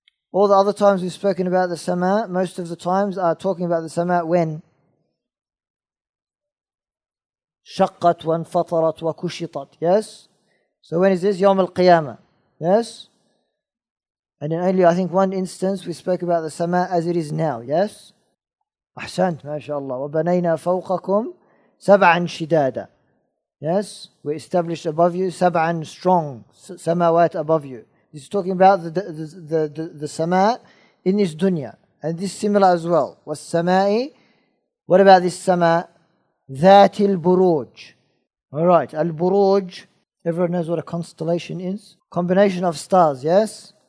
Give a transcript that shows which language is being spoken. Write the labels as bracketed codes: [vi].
[en] All the other times we've spoken about the sama, most of the times are talking about the sama when [ar] شقت وانفطرت وكشطت. [en] Yes? So when is this? [ar] يوم القيامة. [en] Yes? And in only, I think, one instance we spoke about the sama as it is now. Yes? [ar] أحسنت ما شاء الله. وبنينا فوقكم سبعا شدادا. [en] Yes? We established above you سبعا strong سماوات above you. This is talking about the sama in this dunya. And this similar as well. والسمائي. What about this sama? [ar] ذات البروج. Alright, البروج. [en] Everyone knows what a constellation is? Combination of stars, yes?